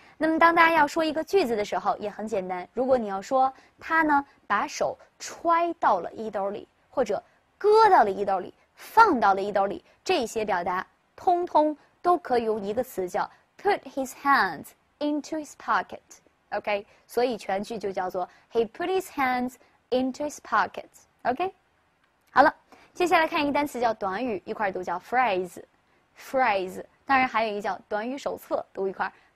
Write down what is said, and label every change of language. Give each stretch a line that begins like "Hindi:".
Chinese: 那么，当大家要说一个句子的时候，也很简单。如果你要说他呢，把手揣到了衣兜里，或者搁到了衣兜里，放到了衣兜里，这些表达通通都可以用一个词叫
English: put his hands into his pocket。 OK，
Chinese: 所以全句就叫做
English: he put his hands into his pocket。
Chinese: OK，好了，接下来看一个单词叫短语，一块读叫 phrase。 phrase 当然还有一个叫短语手册，读一块。